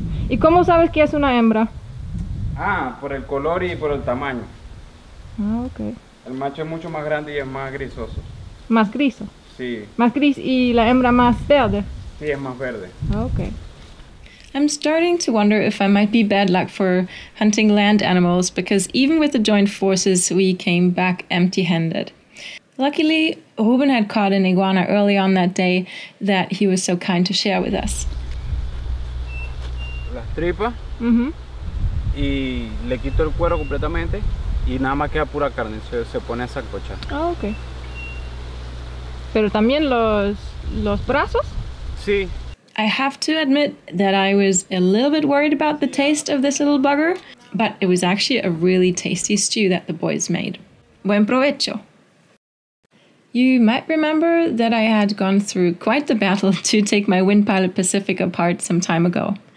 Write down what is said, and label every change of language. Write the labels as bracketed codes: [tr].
[es] ¿Y cómo sabes que es una hembra? Ah, por el color y por el tamaño. Ah, okay. El macho es mucho más grande y es más grisoso. ¿Más griso? Sí. ¿Más gris y la hembra más verde? Sí, es más verde. Okay. [en] I'm starting to wonder if I might be bad luck for hunting land animals because even with the joint forces, we came back empty-handed. Luckily, Ruben had caught an iguana early on that day that he was so kind to share with us. [es] Las tripas. Mm-hmm. Y le quito el cuero completamente. Y nada más queda pura carne, se pone a sancochar. Ah, ok. ¿Pero también los brazos? Sí. [en] I have to admit that I was a little bit worried about the taste of this little bugger, but it was actually a really tasty stew that the boys made. Buen provecho. You might remember that I had gone through quite the battle to take my Wind Pilot Pacific apart some time ago.